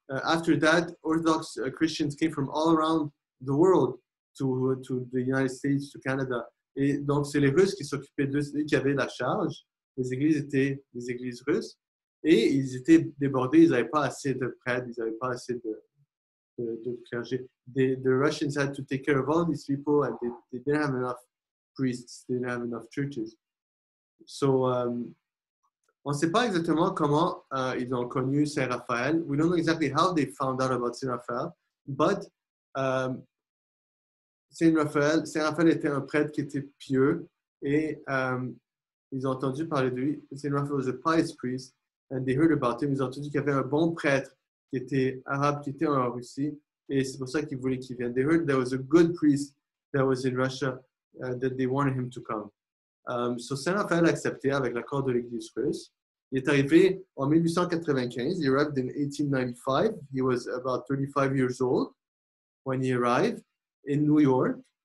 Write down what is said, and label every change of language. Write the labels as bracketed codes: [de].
[en] After that, Orthodox Christians came from all around the world to the United States, to Canada. [fr] Et donc, c'est les Russes qui s'occupaient d'eux, qui avaient la charge. Les églises étaient des églises russes. Et ils étaient débordés, ils n'avaient pas assez de prêtres, ils n'avaient pas assez de clergé. The Russians had to take care of all these people and they didn't have enough priests, they didn't have enough churches. So, on ne sait pas exactement comment ils ont connu Saint Raphaël. [en] We don't know exactly how they found out about Saint Raphaël, but [fr] Saint Raphaël était un prêtre qui était pieux et ils ont entendu parler de lui. [en] Saint Raphaël was a pious priest. And they heard about him. [fr] Ils ont entendu qu'il y avait un bon prêtre qui était arabe, qui était en Russie, et c'est pour ça qu'ils voulaient qu'il vienne. [en] They heard there was a good priest that was in Russia that they wanted him to come. [fr] So Saint Raphaël a accepté avec l'accord de l'Église russe. Il est arrivé en 1895. [en] He arrived in 1895. He was about 35 years old when he arrived in New York.